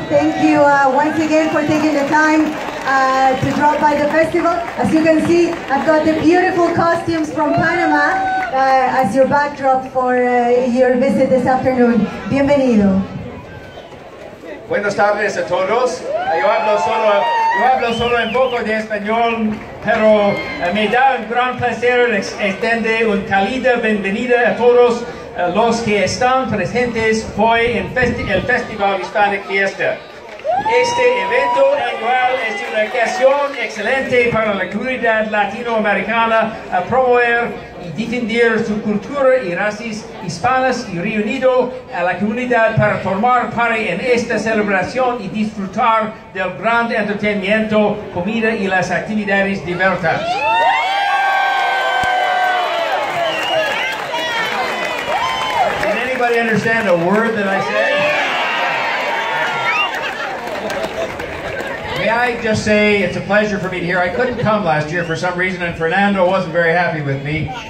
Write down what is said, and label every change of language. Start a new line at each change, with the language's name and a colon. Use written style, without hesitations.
English: Thank you once again for taking the time to drop by the festival. As you can see, I've got the beautiful costumes from Panama as your backdrop for your visit this afternoon.
Spanish: Bienvenido. Buenas tardes a todos. Yo hablo solo un poco de español, pero me da un gran placer extender un cálida bienvenida a todos los que están presentes hoy en el Festival Hispanic Fiesta. Este evento anual es una ocasión excelente para la comunidad latinoamericana a promover y difundir su cultura y raíces hispanas y reunido a la comunidad para formar parte en esta celebración y disfrutar del gran entretenimiento, comida y las actividades diversas.
English: Can anybody understand a word that I said? May I just say it's a pleasure for me to hear. I couldn't come last year for some reason, and Fernando wasn't very happy with me.